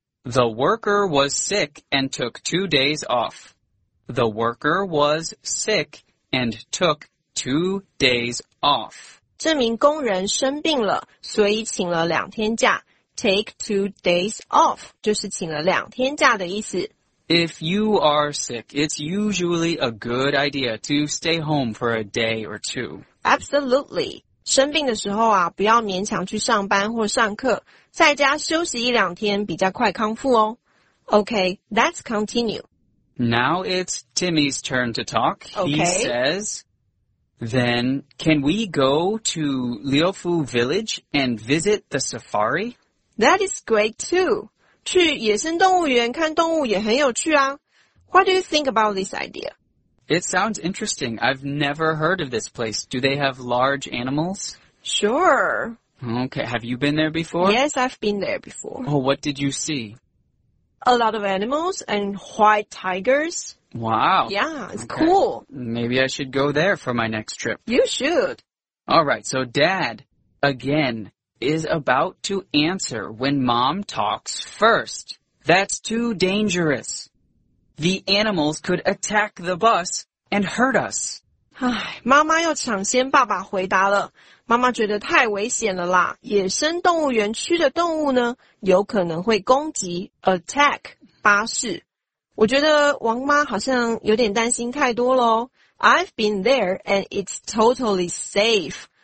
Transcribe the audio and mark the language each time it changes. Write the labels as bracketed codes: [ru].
[en] The worker was sick and took 2 days off. The worker was sick and took 2 days off. [zh] 这名工人生病了，所以请了两天假。 [en] Take 2 days off [zh] 就是请了两天假的意思。 [en] If you are sick, it's usually a good idea to stay home for a day or two. Absolutely. [zh] 生病的时候啊，不要勉强去上班或上课，在家休息一两天比较快康复哦。 [en] Okay, let's continue. Now it's Timmy's turn to talk. Okay. He says, then can we go to Liufu Village and visit the safari? That is great too. [zh] 去野生动物园看动物也很有趣啊。 [en] What do you think about this idea? It sounds interesting. I've never heard of this place. Do they have large animals? Sure. Okay. Have you been there before? Yes, I've been there before. Oh, what did you see? A lot of animals and white tigers. Wow. Yeah, it's cool. Maybe I should go there for my next trip. You should. All right. So Dad, again, is about to answer when Mom talks first. That's too dangerous. The animals could attack the bus and hurt us. [zh] 唉，妈妈又抢先爸爸回答了。妈妈觉得太危险了啦。野生动物园区的动物呢，有可能会攻击 attack 巴士。我觉得王妈好像有点担心太多了哦。 [en] I've been there and it's totally safe.